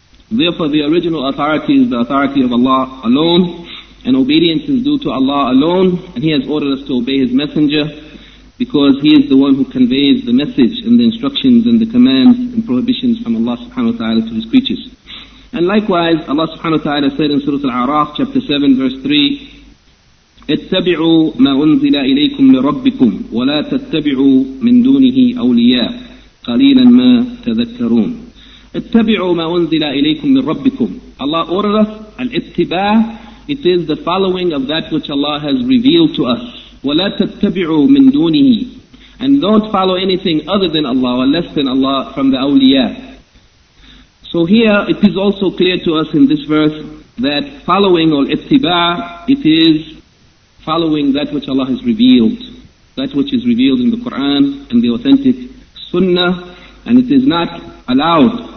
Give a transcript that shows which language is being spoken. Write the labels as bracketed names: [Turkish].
[English] Therefore the original authority is the authority of Allah alone, and obedience is due to Allah alone, and He has ordered us to obey His Messenger because He is the one who conveys the message and the instructions and the commands and prohibitions from Allah subhanahu wa ta'ala to His creatures. And likewise Allah subhanahu wa ta'ala said in Surah Al-A'raf chapter 7 verse 3, [Arabic] اتبعوا ما أنزل إليكم من ربكم ولا تتبعوا من دونه أولياء قليلا ما تذكرون. اتبعوا ما أنزل إليكم من ربكم. [English] Allah ordered us الاتباع, it is the following of that which Allah has revealed to us. [Arabic] ولا تتبعوا من دونه, [English] and don't follow anything other than Allah or less than Allah from the أولياء. So here it is also clear to us in this verse that following or اتباع, it is following that which Allah has revealed, that which is revealed in the Qur'an and the authentic Sunnah, and it is not allowed.